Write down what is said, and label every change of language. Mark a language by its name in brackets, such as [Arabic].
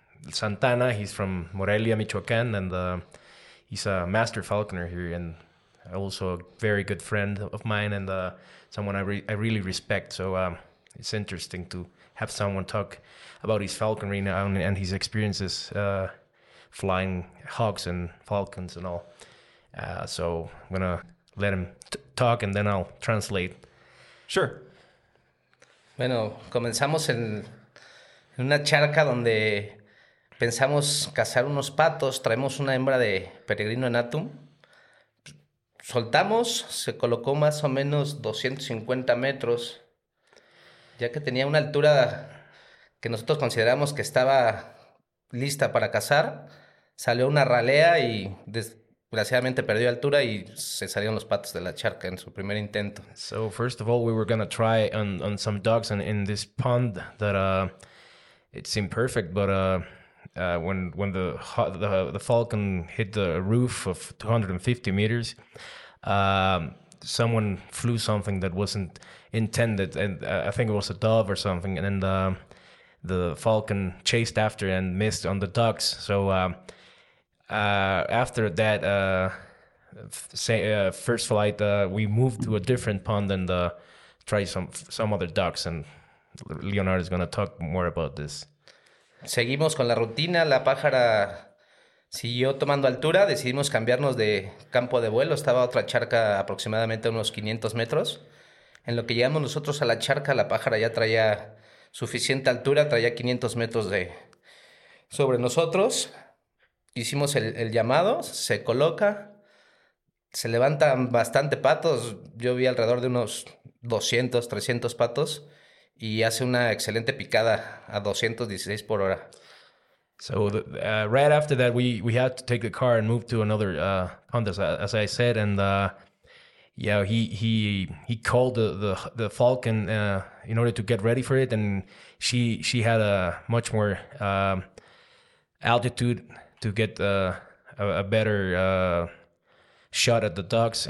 [English] Santana, he's from Morelia, Michoacán, and he's a master falconer here, and also a very good friend of mine, and someone I really respect. So it's interesting to have someone talk about his falconry now and his experiences flying hawks and falcons and all. So I'm gonna let him talk, and then I'll translate. Sure. [Spanish] Bueno, comenzamos en una charca donde pensamos cazar unos patos, traemos una hembra de peregrino enatum. Soltamos, se colocó más o menos 250 metros, ya que tenía una altura que nosotros consideramos que estaba lista para cazar. Salió una ralea y desgraciadamente perdió altura y se salieron los patos de la charca en su primer intento. [English] So first of all, we were gonna try on some ducks and in this pond that it seemed perfect, but when the falcon hit the roof of 250 meters, someone flew something that wasn't intended, and I think it was a dove or something, and then the falcon chased after and missed on the ducks. So after that first flight, we moved to a different pond and tried some other ducks, and Leonardo is going to talk more about this. [Spanish] Seguimos con la rutina, la pájara siguió tomando altura, decidimos cambiarnos de campo de vuelo, estaba otra charca aproximadamente unos 500 metros. En lo que llegamos nosotros a la charca, la pájara ya traía suficiente altura, traía 500 metros de sobre nosotros. Hicimos el llamado, se coloca, se levantan bastante patos, yo vi alrededor de unos 200, 300 patos y hace una excelente picada a 216 por hora. [English] So right after that, we had to take the car and move to another pond, as I said, and yeah, he called the falcon in order to get ready for it, and she had a much more altitude to get a better shot at the ducks.